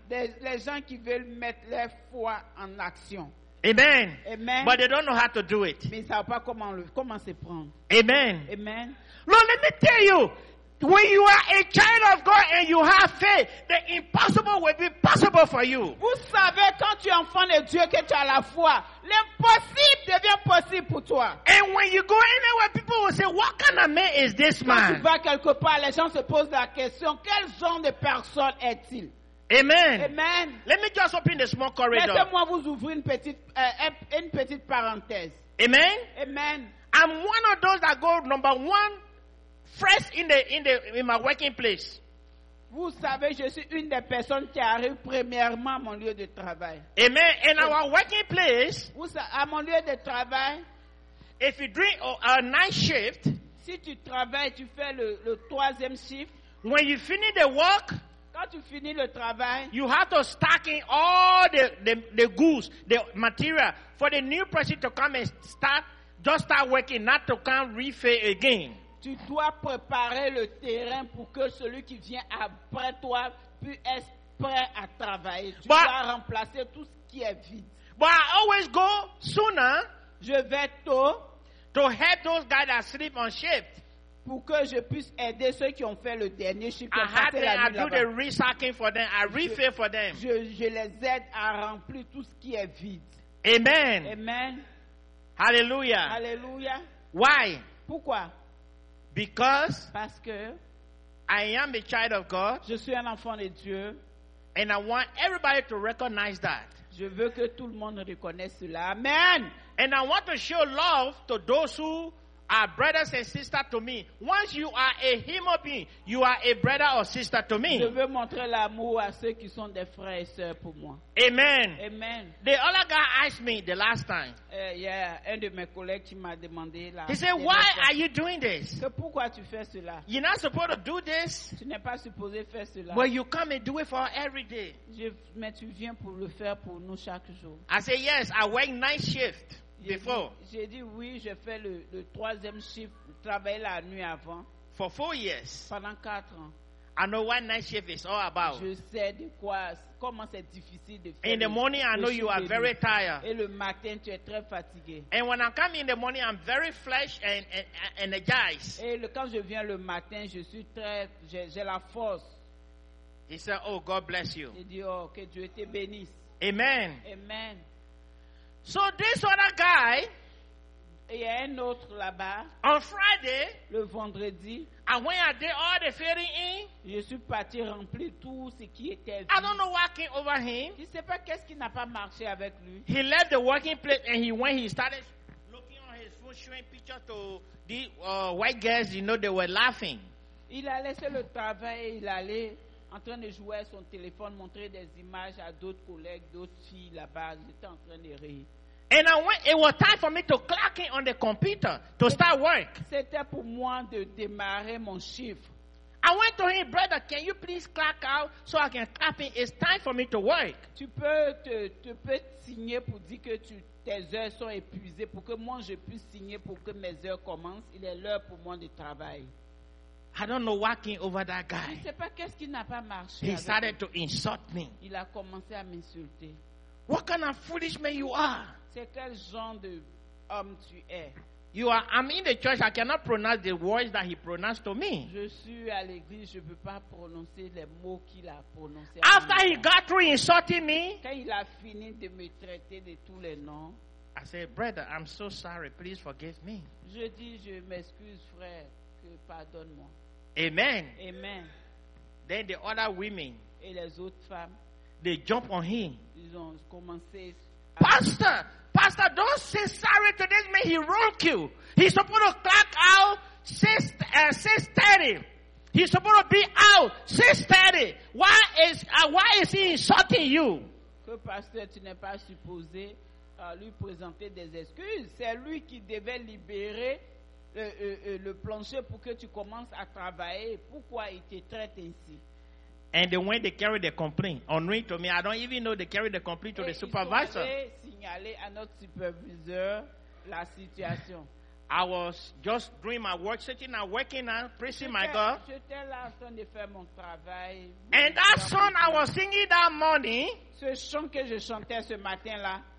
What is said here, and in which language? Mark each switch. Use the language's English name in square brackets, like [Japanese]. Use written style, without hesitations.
[French] Les gens qui veulent mettre leur foi en action. Amen. Amen. [English] But they don't know how to do it. [French] Mais ils savent pas comment se prendre. Amen. Amen. [English] Lord, let me tell you, when you are a child of God and you have faith, the impossible will be possible for you. [French] Vous savez, quand tu es enfant de Dieu, que tu as la foi, l'impossible devient possible pour toi. [English] And when you go anywhere, people will say, what kind of man is this man? [French] Quand tu vas quelque part, les gens se posent la question, quel genre de personne est-il? Amen. Amen. [English] Let me just open this small corridor. [French] Laissez-moi vous ouvrir une petite parenthèse. Amen. Amen. [English] I'm one of those that go number one, first in my working place. [French] Vous savez, je suis une des personnes qui arrive premièrement à mon lieu de travail. [English] Amen. In our working place, [French] à mon lieu de travail, [English] if you drink a night shift, [French] si tu travailles, tu fais le troisième shift, [English] when you finish the work, [French] quand tu finis le travail, [English] you have to stack in all the goods, the material, for the new person to come and start working, not to come refill again. [French] Tu dois préparer le terrain pour que celui qui vient après toi puisse être prêt à travailler. Tu dois remplacer tout ce qui est vide. [English] But I always go sooner. [French] Je vais tôt. [English] To help those guys that sleep on shift. [French] Pour que je puisse aider ceux qui ont fait le dernier shift. [English] I refill for them. [French] Je les aide à remplir tout ce qui est vide. Amen. Amen. Hallelujah. Hallelujah. [English] Why? [French] Pourquoi? [English] Because [French] parce que [English] I am a child of God, [French] je suis un enfant de Dieu, [English] and I want everybody to recognize that. [French] Je veux que tout le monde reconnaisse cela. Amen. [English] And I want to show love to those who are brothers and sisters to me. Once you are a human being, you are a brother or sister to me. [French] Je veux montrer l'amour à ceux qui sont des frères et sœurs pour moi. Amen. Amen. [English] The other guy asked me the last time. [French] Un de mes collègues qui m'a demandé là. [English] He said, "Why are you doing this? [French] Que pourquoi tu fais cela? [English] You're not supposed to do this. [French] Tu n'es pas supposé faire cela. [English] But you come and do it for every day. [French] Mais tu viens pour le faire pour nous chaque jour. [English] I said, "Yes, I work night shift." Before, [French] j'ai dit oui, je fais le troisième chiffre, travailler la nuit avant. [English] For 4 years, [French] pendant 4 ans, [English] I know what night shift is all about. [French] Je sais de quoi, comment c'est difficile de faire. [English] In the morning, I know you are very tired. [French] Et le matin, tu es très fatigué. [English] And when I come in the morning, I'm very fresh and energized. [French] Et quand je viens le matin, je suis très, j'ai la force. [English] He said, "Oh, God bless you." [French] Il dit, oh, que Dieu te bénisse. Amen. Amen. [English] So this other guy, [French] il y a un autre là-bas. [English] On Friday, [French] le vendredi, [English] I went and did all the filling in. [French] Je suis parti remplir tout ce qui était vide. [English] I don't know what came over him. [French] Je sais pas qu'est-ce qui n'a pas marché avec lui. [English] He left the working place and he started looking on his phone, showing pictures to the white girls. You know they were laughing. [French] Il a laissé le travail et il allait en train de jouer à son téléphone, montrer des images à d'autres collègues, d'autres filles là-bas. J'étais en train de rire. [English] And I went, it was time for me to clock in on the computer to start work. [French] C'était pour moi de démarrer mon chiffre. [English] I went to him, "Brother, can you please clock out so I can clock in? It's time for me to work." [French] Tu peux te peux signer pour dire que tes heures sont épuisées pour que moi je puisse signer pour que mes heures commencent. Il est l'heure pour moi de travailler. [English] I don't know what came over that guy. [French] Je sais pas qu'est-ce qui n'a pas marché. [English] He started to insult me. [French] Il a commencé à m'insulter. [English] What kind of foolish man you are? [French] C'est quel genre de homme tu es? [English] I'm in the church. I cannot pronounce the words that he pronounced to me. [French] Je suis à l'église. Je peux pas prononcer les mots qu'il a prononcés. [English] After he got through insulting me, [French] quand il a fini de me traiter de tous les noms, [English] I said, "Brother, I'm so sorry. Please forgive me." [French] Je dis, je m'excuse, frère. Pardonne-moi. Amen. Amen. [English] Then the other women, [French] et les autres femmes, [English] they jump on him. [French] Ils ont commencé à [English] Pastor, don't say sorry to this man. He wronged you. He's supposed to clock out 6:30. He's supposed to be out 6:30. Why is he insulting you? [French] Que pasteur, tu n'es pas supposé lui présenter des excuses. C'est lui qui devait libérer le plancher pour que tu commences à travailler. Pourquoi il te traite ainsi? [English] And then when they carry the complaint on me, to me, I don't even know they carry the complaint to [French] et [English] the supervisor. [French] Signaler à notre superviseur la situation. [English] I was just doing my work, sitting and working and praising my God. [French] J'étais là en train de faire mon travail. [English] And that song I was singing that morning, [French] ce chant que je chantais ce matin là,